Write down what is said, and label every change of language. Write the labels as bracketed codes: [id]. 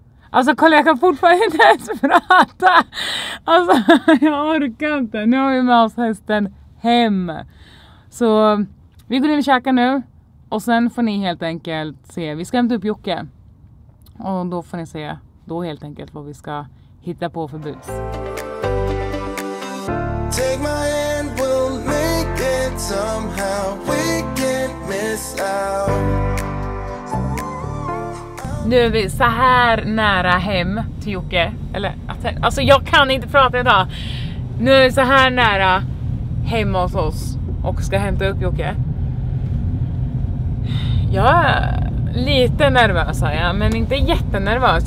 [sv] Alltså kolla, jag kan fortfarande inte ens prata. Alltså jag orkar inte. Nu har vi med oss hästen hem. Så vi går in och käkar nu. Och sen får ni helt enkelt se. Vi ska hämta upp Jocke. Och då får ni se då helt enkelt vad vi ska hitta på för bus. [en] Take my hand, we'll make it somehow. We can't miss out. [sv] Nu är vi så här nära hem till Jocke. Eller, alltså jag kan inte prata idag. Nu är vi så här nära hem hos oss och ska hämta upp Jocke. Jag är lite nervös här, men inte jättenervös.